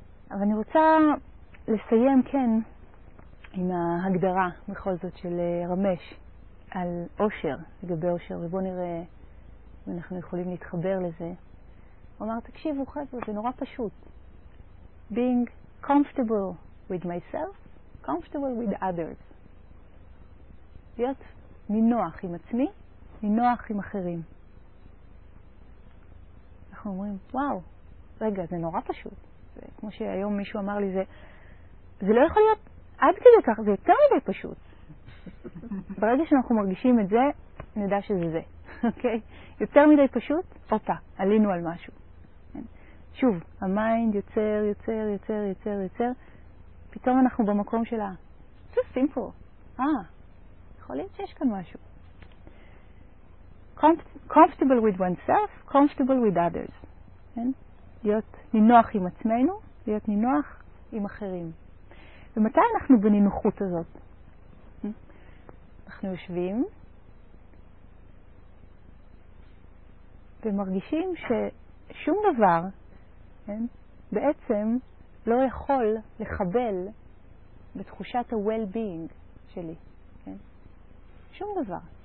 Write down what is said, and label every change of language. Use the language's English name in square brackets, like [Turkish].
[Hebrew] אבל אני רוצה לסיים, כן, עם ההגדרה בכל זאת של רמש על אושר, לגבי אושר, ובוא נראה אם אנחנו יכולים להתחבר לזה. הוא אמר, תקשיבו חבר'ה, זה נורא פשוט. [English] Being comfortable with myself, comfortable with others. [Hebrew] להיות נינוח עם עצמי, נינוח עם אחרים. אנחנו אומרים, וואו, רגע, זה נורא פשוט. כמו שהיום מישהו אמר לי, זה לא יכול להיות עד כדי כך, זה יותר מדי פשוט. ברגע שאנחנו מרגישים את זה, נדע שזה זה. אוקיי? יותר מדי פשוט, אותה, עלינו על משהו. שוב, המיינד יוצר, יוצר, יוצר, יוצר, יוצר. פתאום אנחנו במקום של ה... זה סימפל. יכול להיות שיש כאן משהו. [English] Comfortable with oneself, comfortable with others. [Hebrew] להיות נינוח עם עצמנו, להיות נינוח עם אחרים. ומתי אנחנו בנינוחות הזאת? אנחנו יושבים ומרגישים ששום דבר, כן, בעצם לא יכול לחבל בתחושת ה-well-being שלי. כן? שום דבר.